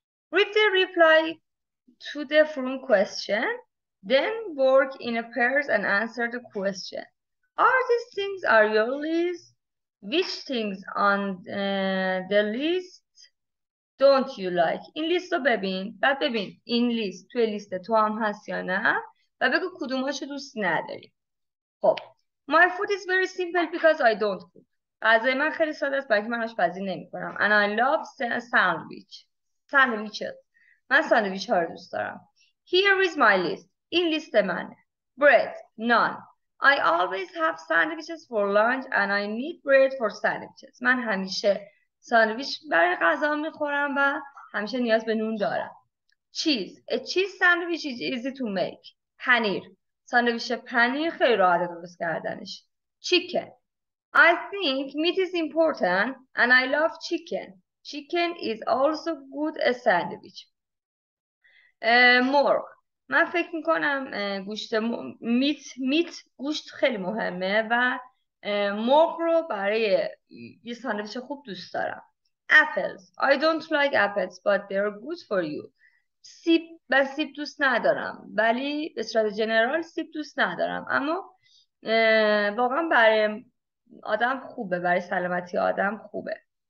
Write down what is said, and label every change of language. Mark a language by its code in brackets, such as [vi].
[en] Read the reply to the form question, then work in a pairs and answer the question. Are these things on your list? Which things on the list don't you like? [fa] این لیست رو ببین. بعد ببین این لیست توی لیست تو هم هست یا نه؟ و بگو کدوماشو دوست نداری. خب. [en] My food is very simple because I don't cook. [fa] غذای من خیلی ساده است برای که من آشپزی نمی کنم. [en] And I love sandwich. Sandwiches. [fa] من ساندویچ ها رو دوست دارم. [en] Here is my list. [fa] این لیست منه. [en] Bread. Non. I always have sandwiches for lunch and I need bread for sandwiches. [fa] من همیشه ساندویچ برای غذا می خورم و همیشه نیاز به نون دارم. [en] Cheese. A cheese sandwich is easy to make. پنیر. [fa] ساندویچ پنیر خیلی راحت درست کردنش. [en] Chicken. I think meat is important and I love chicken. Chicken is also good a sandwich. مرغ. [fa] من فکر میکنم میت گوشت خیلی مهمه و مرغ رو برای یه ساندویچ خوب دوست دارم. [en] Apples. I don't like apples but they are good for you. [fa] سیب. من سیب دوست ندارم. ولی به صورت جنرال سیب دوست ندارم. اما واقعا برای آدم خوبه، برای سلامتی آدم خوبه.